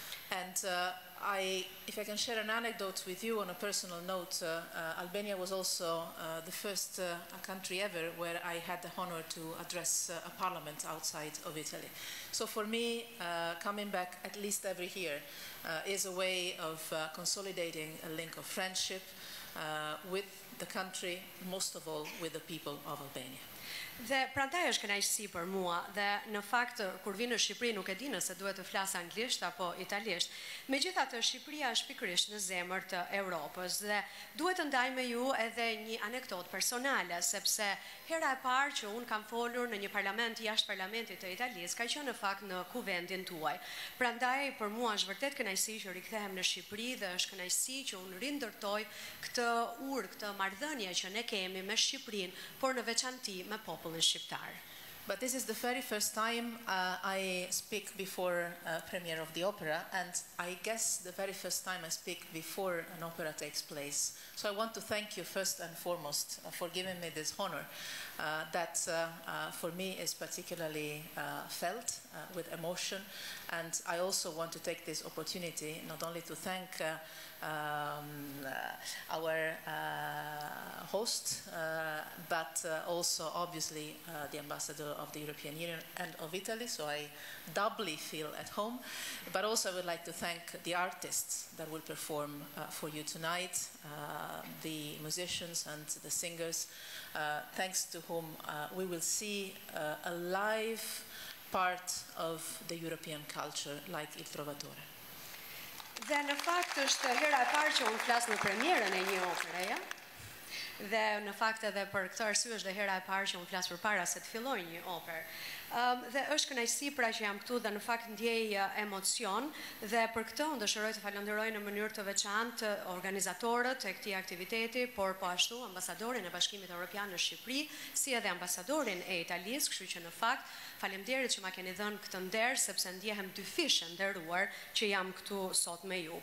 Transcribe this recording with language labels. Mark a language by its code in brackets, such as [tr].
[en] And if I can share an anecdote with you on a personal note, Albania was also the first country ever where I had the honor to address a parliament outside of Italy. So for me, coming back at least every year is a way of consolidating a link of friendship with the country, most of all with the people of Albania. [sq] Dhe prandaj është kënaqësi për mua, dhe në fakt kur vinë në Shqipëri nuk e di nëse duhet të flas anglisht apo italisht. Megjithatë Shqipëria është pikërisht në zemër të Evropës dhe duhet të ndaj me ju edhe një anekdotë personale, sepse hera e parë që un kam folur në një parlament jashtë parlamentit të Italisë ka qenë në fakt në kuvendin tuaj. Prandaj për mua është vërtet kënaqësi që rikthehem në Shqipëri dhe është kënaqësi që un rindërtoj këtë urë, këtë marrëdhënie që ne kemi me Shqipërinë, por në veçantë me popullin shqiptar. [en] But this is the very first time I speak before a premiere of the opera, and I guess the very first time I speak before an opera takes place. So I want to thank you first and foremost for giving me this honor that for me is particularly felt with emotion, And I also want to take this opportunity not only to thank our host, but also obviously the ambassador of the European Union and of Italy, so I doubly feel at home. But also I would like to thank the artists that will perform for you tonight, the musicians and the singers, thanks to whom we will see a live part of the European culture like Il Trovatore. [sq] Dhe në fakt është hera e parë që unë flas në premierën e një opere, ja? Dhe në fakt edhe për këtë arsye është hera e parë që unë flas përpara se të fillojë një operë. Dhe është kënaqësi pra që jam këtu dhe në fakt ndjej emocion dhe për këtë unë dëshiroj të falenderoj në mënyrë të veçantë organizatorët e këtij aktiviteti, por po ashtu ambasadorin e Bashkimit Evropian në Shqipëri, si edhe ambasadorin e Italisë, kështu që në fakt faleminderit që ma keni dhënë këtë nder, sepse ndjehem dyfish e nderuar që jam këtu sot me ju.